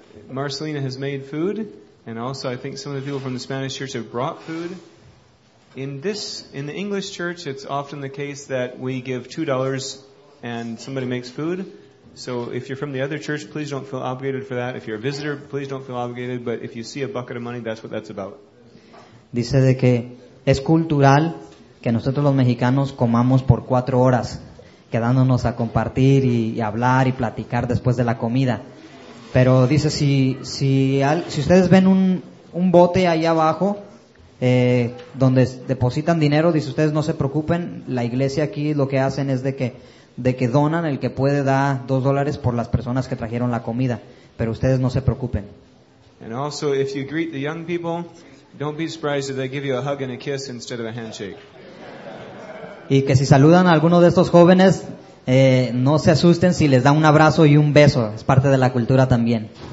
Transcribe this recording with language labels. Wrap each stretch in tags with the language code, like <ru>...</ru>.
<en>Marcelina has made food, and also I think some of the people from the Spanish church have brought food. In the English church, it's often the case that we give $2 and somebody makes food. So if you're from the other church, please don't feel obligated for that. If you're a visitor, please don't feel obligated. But if you see a bucket of money, that's what that's about.</en> <es>Dice de que es cultural que nosotros los mexicanos comamos por 4 horas, quedándonos a compartir y hablar y platicar después de la comida. Pero dice, si ustedes ven un bote ahí abajo, donde depositan dinero, dice, ustedes no se preocupen, la iglesia aquí lo que hacen es de que donan, el que puede da $2 por las personas que trajeron la comida, pero ustedes no se preocupen.</es> <en>And also, if you greet the young people, don't be surprised if they give you a hug and a kiss instead of a handshake.</en> <es>Y que si saludan a alguno de estos jóvenes, no se asusten si les da un abrazo y un beso. Es parte de la cultura también.</es>